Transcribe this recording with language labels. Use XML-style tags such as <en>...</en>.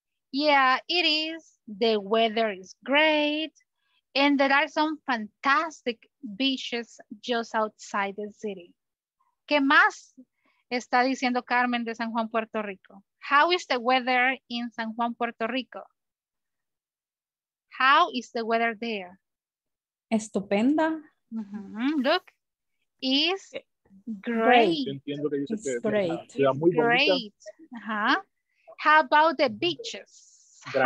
<en>Yeah, it is, the weather is great, and there are some fantastic beaches just outside the city.</en> <es>¿Qué más está diciendo Carmen de San Juan, Puerto Rico?</es> <en>How is the weather in San Juan, Puerto Rico? How is the weather there?</en> <es>Estupenda.</es> <en>Mm-hmm. Look, is great. Great. Que great. Uh-huh. How about the beaches? Grandiosa.</en>